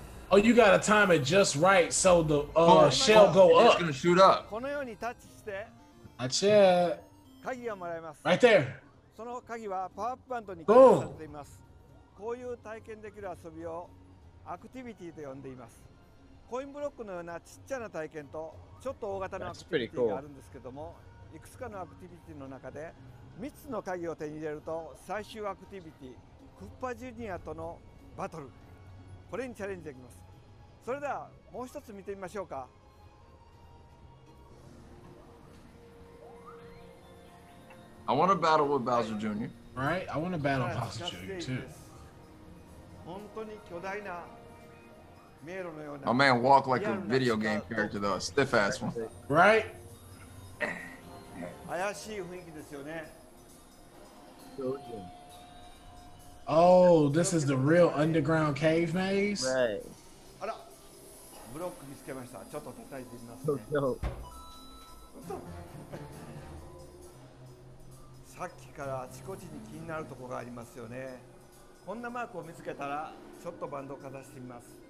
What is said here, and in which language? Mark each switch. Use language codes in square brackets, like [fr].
[en] Oh, you gotta time it just right so the shell go up. It's gonna shoot up. [ja] このようにタッチして、あちゃ、鍵がもらえます。 [en] Right there. [ja] その鍵はパワーアップバンドに加わっています。こういう体験できる遊びをアクティビティと呼んでいます。コインブロックのようなちっちゃな体験とちょっと大型のアクティビティがあるんですけども、いくつかのアクティビティの中で3つの鍵を手に入れると最終アクティビティ、クッパジュニアとのバトル。これにチャレンジできます。それではもう一つ見てみましょうか。 [en] I want to battle with Bowser Jr. Right? I want to battle Bowser Jr. too. [ja] 本当に巨大な迷路のような。 [en] A man walk like a video game character though, stiff ass one. Right? [ja] 怪しい雰囲気ですよね。 [en] Oh, this is the real underground cave maze? Right. [ja] あら、ブロック見つけました。ちょっと叩いてみますね。 [en] No. [ja] さっきからあちこちに気になるところがありますよね。こんなマークを見つけたら、ちょっとバンドをかざしてみます。